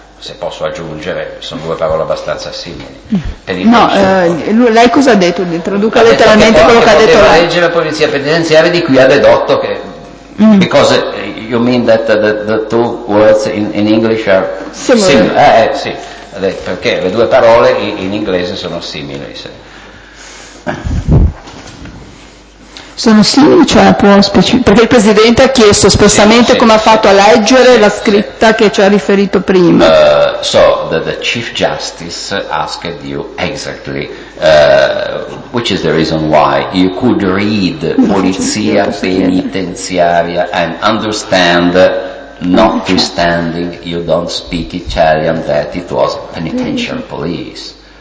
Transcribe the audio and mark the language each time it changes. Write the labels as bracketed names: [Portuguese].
[Italian] Se posso aggiungere, sono due parole abbastanza simili. Lei cosa ha detto? Traduca letteralmente quello che ha detto. Devo leggere polizia penitenziaria, di cui ha dedotto che. Mm. [English] Because you mean that the two words in English are similar. [Italian] Sì. Perché le due parole in inglese sono simili. Sono simili, cioè perché il presidente ha chiesto espressamente come ha fatto a leggere la scritta che ci ha riferito prima. [English] So the Chief Justice asked you exactly which is the reason why you could read polizia penitenziaria and understand. Notwithstanding, you don't speak Italian, that it was penitentiary police.